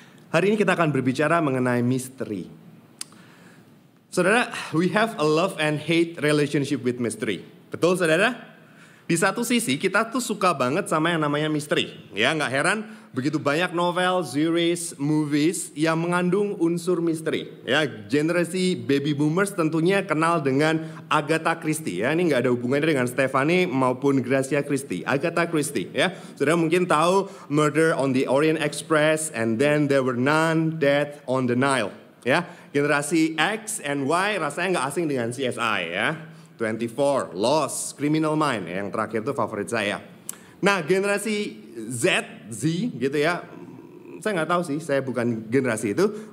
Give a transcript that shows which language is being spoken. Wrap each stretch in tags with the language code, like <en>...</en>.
<id>Hari ini kita akan berbicara mengenai misteri. Saudara,</id> <en>we have a love and hate relationship with mystery.</en> <id>Betul, saudara? Di satu sisi, kita tuh suka banget sama yang namanya misteri. Ya, gak heran, begitu banyak novel, series, movies yang mengandung unsur misteri. Ya, generasi baby boomers tentunya kenal dengan Agatha Christie. Ya, ini gak ada hubungannya dengan Stephanie maupun Gracia Christie. Agatha Christie, ya. Sudah mungkin tahu Murder on the Orient Express, and then there were none, Death on the Nile. Ya, generasi X and Y rasanya gak asing dengan CSI, ya. 24, Lost, Criminal Mind, yang terakhir itu favorit saya. Nah, generasi Z, gitu ya, saya nggak tahu sih, saya bukan generasi itu.</id>